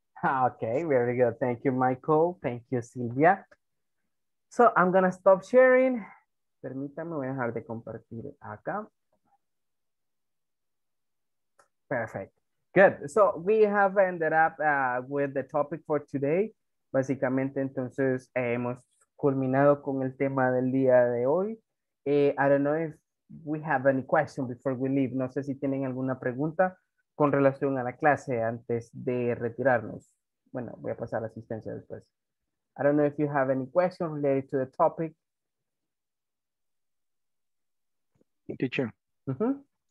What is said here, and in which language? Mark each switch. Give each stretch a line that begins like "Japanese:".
English: Okay, very good. Thank you, Michael. Thank you, Silvia. So I'm going to stop sharing.
Spanish: Permítame, voy a dejar de compartir acá.
English: Perfect. Good. So we have ended up with the topic for today.
Spanish: Básicamente, entonces, hemos culminado con el tema del día de hoy.
English: I don't know if we have any question before we leave.
Spanish: No sé si tienen alguna pregunta con relación a la clase antes de retirarnos. Bueno, voy a pasar a asistencia después.
English: I don't know if you have any question related to the topic. Teacher, uh-huh.